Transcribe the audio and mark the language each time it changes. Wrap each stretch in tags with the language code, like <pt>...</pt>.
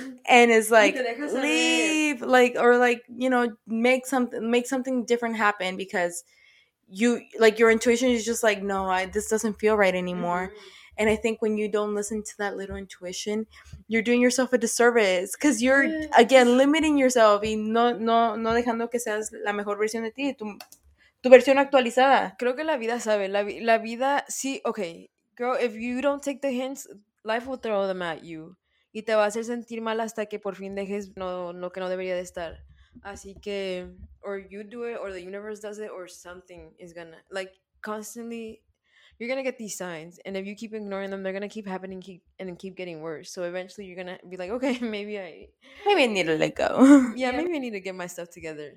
<en>And it's like, leave, like, or like, you know, make something different happen, because you, like, your intuition is just like, no, this doesn't feel right anymore. Mm-hmm. And I think when you don't listen to that little intuition, you're doing yourself a disservice, because you're, again, limiting yourself.</en> <es>Y no dejando que seas la mejor versión de ti, tu versión actualizada. Creo que la vida sabe. La vida, sí, okay.</es> <en>Girl, if you don't take the hints, life will throw them at you.</en> <es>Y te va a hacer sentir mal hasta que por fin dejes lo que no debería de estar. Así que,</es> <en>or you do it, or the universe does it, or something is gonna, like, constantly... You're going to get these signs, and if you keep ignoring them, they're going to keep happening keep getting worse. So eventually you're going to be like, okay, maybe I need to let go. Yeah, maybe I need to get my stuff together.</en>